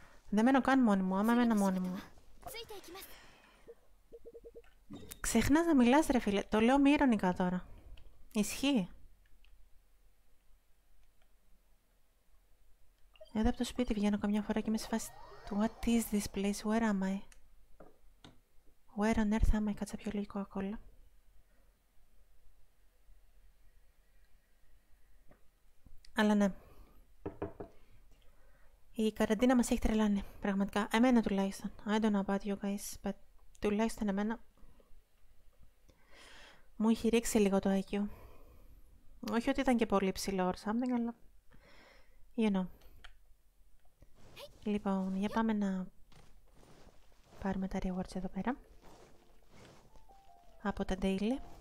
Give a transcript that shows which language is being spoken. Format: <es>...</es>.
<el>Δεν μένω καν μόνη μου, άμα μένω μόνη μου. Ξεχνάς να μιλάς ρε φίλε, το λέω μη ειρωνικά τώρα. Ισχύει. Εδώ από το σπίτι βγαίνω καμιά φορά και είμαι σε φάση...</el> <en>What is this place, where am I? Where on earth am I,</en> <el>κάτσα πιο λίγο ακόλα. Αλλά ναι. Η καραντίνα μας έχει τρελάνει, πραγματικά. Εμένα τουλάχιστον.</el> <en>I don't know about you guys, but</en> <el>τουλάχιστον εμένα. Μου είχε ρίξει λίγο το IQ. Όχι ότι ήταν και πολύ ψηλό</el> <en>or something,</en> <el>αλλά...</el> <en>You know.</en> <el>Λοιπόν, για πάμε να... πάρουμε τα rewards εδώ πέρα. Από τα daily.</el>